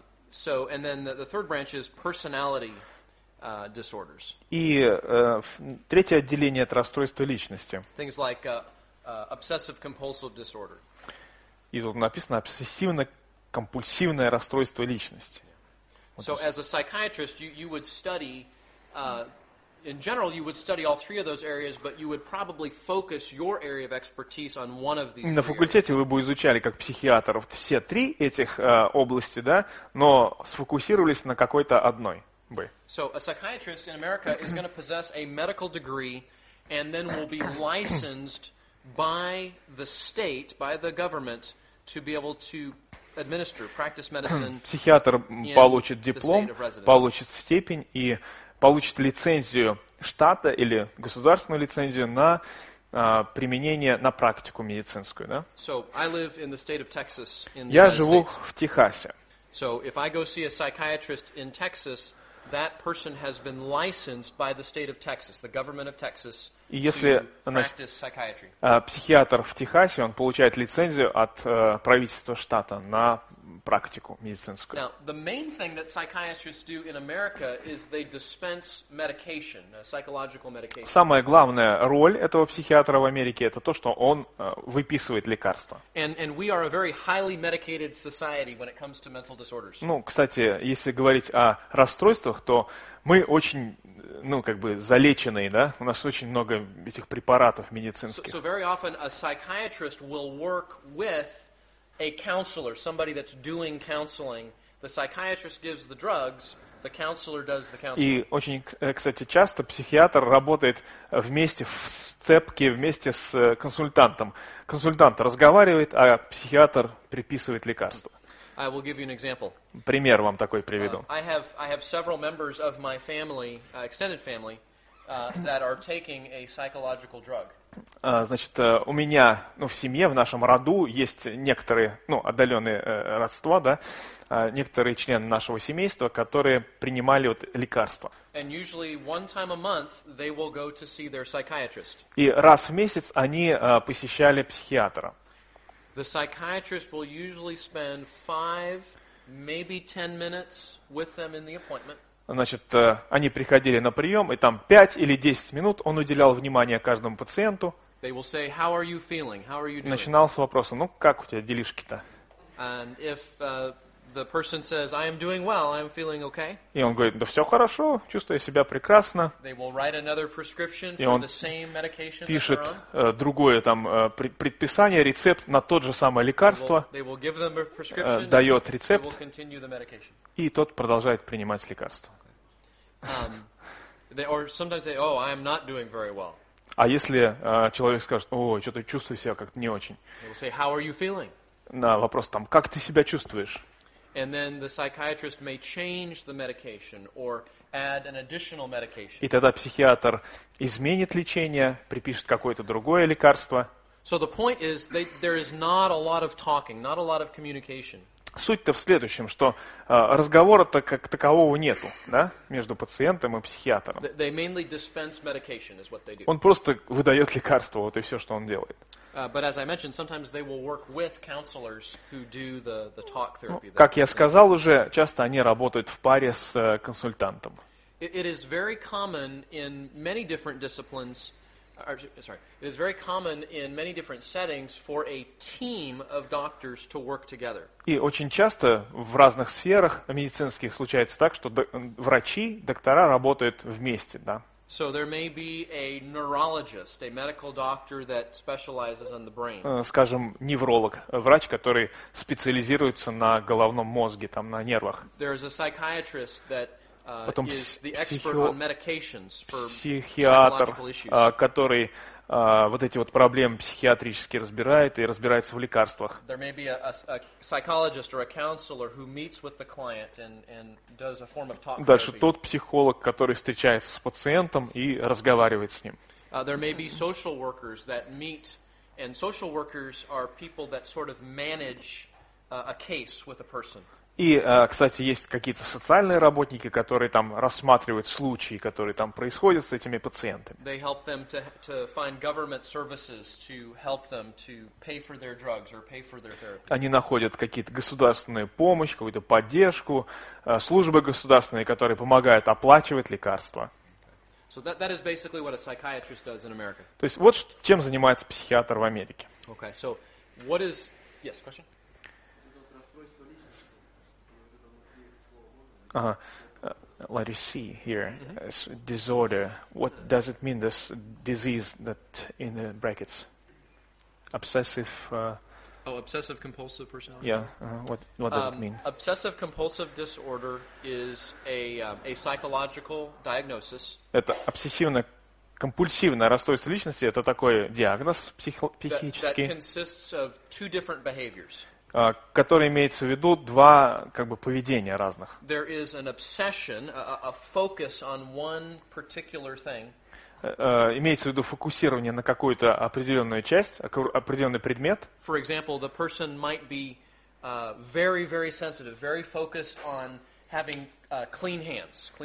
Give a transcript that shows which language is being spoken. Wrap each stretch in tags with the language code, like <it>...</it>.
<en>So and then the third branch is personality disorders.</en> <ru>И третье отделение — это расстройство личности.</ru> <en>Things like obsessive-compulsive disorder.</en> <ru>И тут написано обсессивно-компульсивное расстройство личности.</ru> <en>So as a psychiatrist, you would study in general, you would study all three of those areas, but you would probably focus your area of expertise on one of these.</en> <ru>На факультете вы бы изучали как психиатр все три этих области, да, но сфокусировались на какой-то одной бы.</ru> <en>So a psychiatrist in America is going to possess a medical degree, and then will be licensed by the state, by the government, to be able to administer, practice medicine.</en> <ru>Психиатр получит диплом, получит степень и получит лицензию штата или государственную лицензию на применение, на практику медицинскую. Да?</ru> <en>So, I live in the state of Texas, in the</en> <ru>Я живу в Техасе.</ru> <en>So, if I go see a psychiatrist in Texas, that person has been licensed by the state of Texas, the government of Texas,</en> <ru>и если,</ru> <en>to practice psychiatry.</en> <ru>Психиатр в Техасе, он получает лицензию от правительства штата на практику медицинскую.</ru> <en>Now, the main thing that psychiatrists do in America is they dispense medication, psychological medication.</en> <ru>Самая главная роль этого психиатра в Америке — это то, что он выписывает лекарства.</ru> <en>And we are a very highly medicated society when it comes to mental disorders.</en> <ru>Ну, кстати, если говорить о расстройствах, то мы очень, ну, как бы залеченные, да? У нас очень много этих препаратов медицинских.</ru> <en>So very often a psychiatrist will work with a counselor, somebody that's doing counseling. The psychiatrist gives the drugs, the counselor does the counseling.</en> <ru>И очень, кстати, часто психиатр работает вместе, в сцепке, вместе с консультантом. Консультант разговаривает, а психиатр приписывает лекарства.</ru> <en>I will give you an example.</en> <ru>Пример вам такой приведу.</ru> <en>I have several members of my family, extended family, that are taking a psychological drug.</en> <ru>Значит, у меня, ну, в семье, в нашем роду есть некоторые, ну, отдаленные родства, да, некоторые члены нашего семейства, которые принимали вот лекарства.</ru> <en>And usually one time a month they will go to see their psychiatrist.</en> <ru>И раз в месяц они посещали психиатра.</ru> <en>The psychiatrist will usually spend 5, maybe 10 minutes with them in the appointment.</en> <ru>Значит, они приходили на прием, и там 5 или 10 минут он уделял внимание каждому пациенту.</ru> <en>Say,</en> <ru>начинался вопрос: ну как у тебя делишки-то?</ru> <en>And if The person says, I am doing well, I am feeling okay.</en> <ru>И он говорит, да все хорошо, чувствую себя прекрасно.</ru> <en>They will write another prescription</en> <ru>и он</ru> <en>for the same medication</en> <ru>пишет другое там предписание, рецепт на тот же самое лекарство, дает рецепт, и тот продолжает принимать лекарство. А если человек скажет, о, что-то чувствую себя как-то не очень.</ru> <en>Say, how are you feeling?</en> <ru>На вопрос там, как ты себя чувствуешь?</ru> <en>And then the psychiatrist may change the medication or add an additional medication.</en> <ru>И тогда психиатр изменит лечение, припишет какое-то другое лекарство.</ru> <en>So the point is that there is not a lot of talking, not a lot of communication.</en> <ru>Суть-то в следующем, что разговора-то как такового нету, да, между пациентом и психиатром.</ru> <en>They mainly dispense medication is what they do.</en> <ru>Он просто выдает лекарство, вот и все, что он делает.</ru> <en>But as I mentioned, sometimes they will work with counselors who do the talk therapy.</en> <ru>Ну, как я сказал уже, часто они работают в паре с консультантом.</ru> <en>It is very common in many different disciplines. It is very common in many different settings for a team of doctors to work together.</en> <ru>И очень часто в разных сферах медицинских случается так, что врачи, доктора работают вместе, да.</ru> <en>So there may be a neurologist, a medical doctor that specializes on the brain.</en> <ru>Скажем, невролог, врач, который специализируется на головном мозге, там, на нервах.</ru> <en>There is a psychiatrist that</en> <ru>Потом</ru> <en>is the expert on medications for</en> <ru>психиатр,</ru> <en>psychological issues.</en> <ru>Который вот эти вот проблемы психиатрически разбирает и разбирается в лекарствах.</ru> <en>There may be a psychologist or a counselor who meets with the client and does a form of talk therapy.</en> <ru>Дальше тот психолог, который встречается с пациентом и разговаривает с ним.</ru> <en>There may be social workers that meet, and social workers are people that sort of manage a case with a person.</en> <ru>И, кстати, есть какие-то социальные работники, которые там рассматривают случаи, которые там происходят с этими пациентами.</ru> <en>They help them to find government services to help them to pay for their drugs or pay for their therapy.</en> <ru>Они находят какие-то государственную помощь, какую-то поддержку, службы государственные, которые помогают оплачивать лекарства.</ru> <en>So that is basically what a psychiatrist does in America.</en> <ru>То есть вот чем занимается психиатр в Америке.</ru> <en>Okay, so what is... Yes, question? Let us see here. Mm-hmm. Disorder. What does it mean, this disease that in the brackets? Obsessive. Obsessive compulsive personality. Yeah. What does it mean? Obsessive compulsive disorder is a psychological diagnosis.</en> <ru>Это обсессивно-компульсивное расстройство личности. Это такой диагноз психический.</ru> <en>That consists of two different behaviors.</en> <ru>Который имеется в виду два как бы поведения разных.</ru> <en>There is an obsession, a focus on one particular thing.</en> <ru>Имеется в виду фокусирование на какую-то определенную часть, определенный предмет.</ru> <en>For example, the person might be very, very sensitive, very focused on having clean hands.</en>